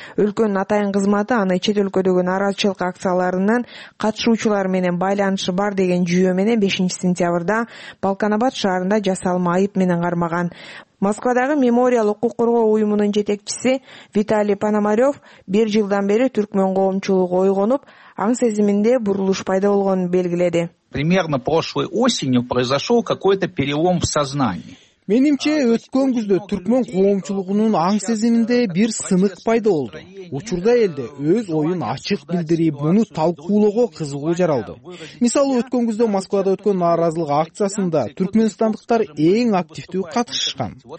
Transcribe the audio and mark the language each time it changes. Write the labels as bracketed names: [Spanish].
[Kyrgyz] Өлкөнүн атайын кызматы аны чет өлкөдөгү нааразычылык акцияларынын катышуучулары менен байланышы бар деген жүйө менен 5-сентябрда Балканабад шаарында жасалма айып менен кармаган. Москвадагы мемориал укук коргоо уюмунун жетекчиси Виталий Пономарев 1 жылдан бери түркмөн коомчулугу ойгонуп, аң сезиминде бурулуш пайда болгонун белгиледи. [Russian] Примерно прошлой осенью произошел какой-то перелом в сознании. [Kyrgyz] Менимче өткөн күздө түркмөн коомчулугунун аң сезиминде бир сынык пайда болду. Учурда элде өз оюн ачык билдирип, муну талкуулоого кызыгуу жаралды. Мисалы, өткөн күздө Москвада өткөн нааразылык акциясында түркмөнстандыктар эң активдүү катышышкан.